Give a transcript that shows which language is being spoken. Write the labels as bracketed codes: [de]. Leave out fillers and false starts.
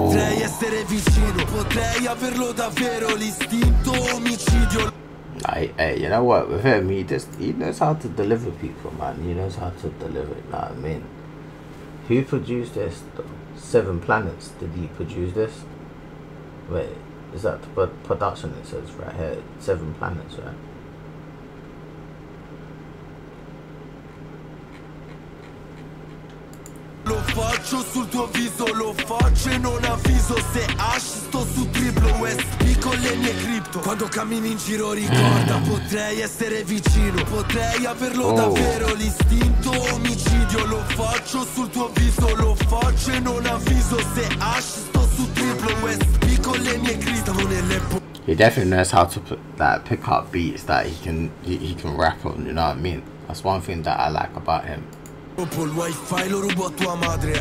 [it] Potrei essere vicino, potrei averlo davvero l'istinto omicidio. [en] Hey, you know what? With him, he knows how to deliver, people, man. He knows how to deliver, you know what I mean? Who produced this, though? Seven Planets, did he produce this? Wait, is that the production it says right here? Seven Planets, right? [it] Lo faccio sul tuo viso, lo faccio e non avviso. Se asci sto su triplo USB con le mie cripto. Quando cammini in giro ricorda, potrei essere vicino. Potrei averlo davvero l'istinto omicidio. Lo faccio sul tuo viso, lo faccio e non avviso. Se asci sto su triplo USB con le mie cripto. [en] He definitely knows how to pick up beats that he can rap on, you know what I mean? That's one thing that I like about him. [it] Dopo il wifi lo rubo a tua madre.